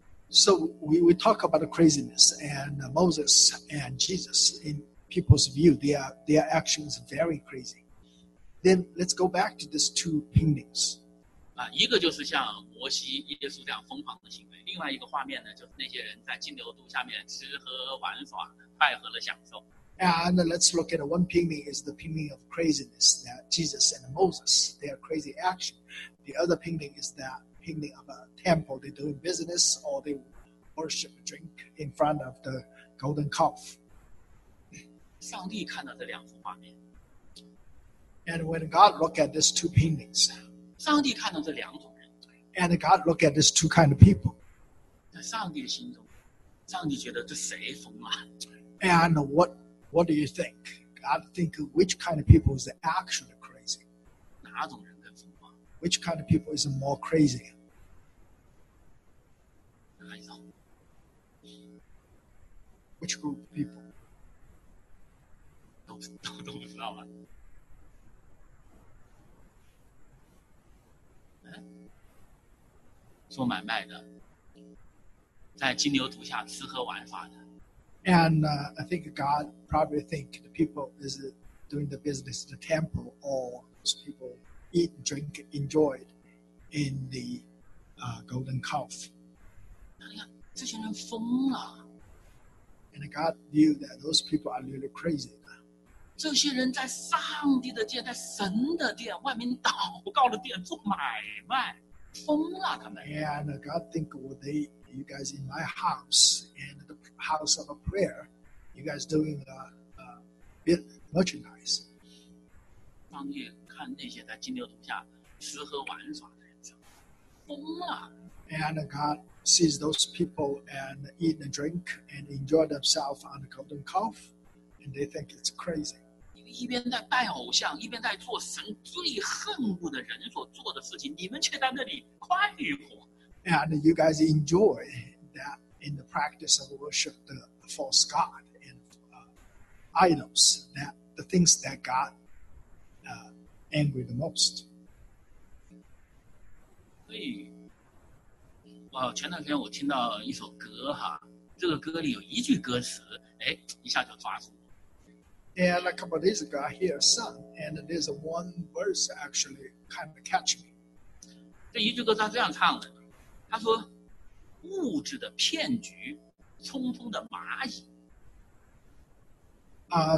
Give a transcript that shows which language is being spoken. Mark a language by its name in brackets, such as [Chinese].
[English] So we talk about the craziness and Moses and Jesus in people's view their actions are very crazy Then let's go back to these two paintings [Chinese] 一个就是像摩西耶稣这样疯狂的行为另外一个画面呢就是那些人在金牛犊下面吃喝玩耍快乐的享受 [English] And let's look at one painting is the painting of craziness that Jesus and Moses, their crazy action. The other painting is that painting of a temple. They're doing business or they worship a drink in front of the golden calf. [Chinese] 上帝看到这两幅画面。 [English] And when God looked at these two paintings, [Chinese] 上帝看到这两种人。 [English] And God looked at these two kind of people. [Chinese] 在上帝的心中，上帝觉得这谁疯了？ [English] And What do you think? God think which kind of people is actually crazy? [Chinese] 哪种人更疯狂? [English] Which kind of people is more crazy? [Chinese] 哪一种? [English] Which group of people? [Chinese] 都不知道吧。做买卖的，在金牛犊下吃喝玩耍的。 [English] And I think God probably think the people is doing the business in the temple or those people eat, drink, enjoy it in the golden calf. [Chinese] 这些人疯了。 [English] And God knew that those people are really crazy. [Chinese] 这些人在上帝的殿，在神的殿，外面祷告的殿做买卖，疯了他们。 [English] And God think what they... You guys in my house and the house of a prayer, you guys doing merchandise. [Chinese] 上帝看那些在金牛犊下吃喝玩耍的人，疯了。 [English] And God sees those people and eat and drink and enjoy themselves on the golden calf, and they think it's crazy. [Chinese] 一边在拜偶像，一边在做神最恨恶的人所做的事情，你们却在那里快活。 [English] And you guys enjoy that in the practice of worship the false god and idols, that the things that got angry the most. [Chinese] 所以，前段时间我听到一首歌哈，这个歌里有一句歌词，一下就抓住我。 [English] And a couple of days ago, I hear a song, and there's one verse actually kind of catch me. [Chinese] 这一句歌它这样唱的。他说：“物质的骗局，匆匆的蚂蚁。”